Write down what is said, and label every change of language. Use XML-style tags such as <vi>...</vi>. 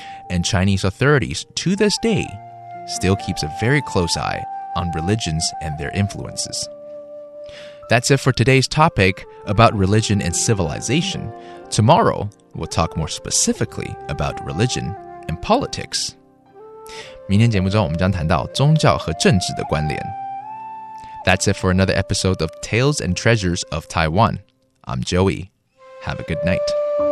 <en>And Chinese authorities, to this day,still keeps a very close eye on religions and their influences. That's it for today's topic about religion and civilization. Tomorrow, we'll talk more specifically about religion and politics.</en> <zh>明天节目中我们将谈到宗教和政治的关联。</zh> <en>That's it for another episode of Tales and Treasures of Taiwan. I'm Joey. Have a good night.</en>